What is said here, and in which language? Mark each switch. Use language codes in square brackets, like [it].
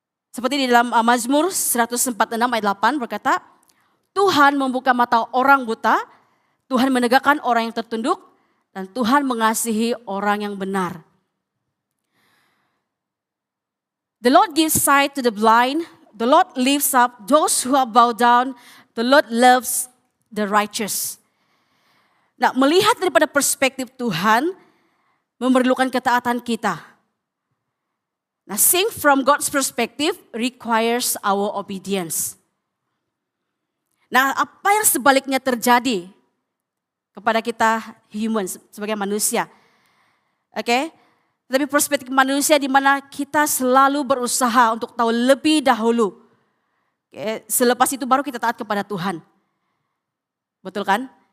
[ms] Seperti di dalam Mazmur 146 ayat 8 berkata, Tuhan membuka mata orang buta, Tuhan menegakkan orang yang tertunduk, dan Tuhan mengasihi orang yang benar. [en] The Lord gives sight to the blind, the Lord lifts up those who are bowed down, the Lord loves the righteous. [ms] Nah, melihat daripada perspektif Tuhan, memerlukan ketaatan kita. [en] Now, seeing from God's perspective requires our obedience. [ms] Nah, apa yang sebaliknya terjadi kepada kita humans sebagai manusia? Oke? Okay? Tapi perspektif manusia di mana kita selalu berusaha untuk tahu lebih dahulu. Okay? Selepas itu baru kita taat kepada Tuhan. Betul kan?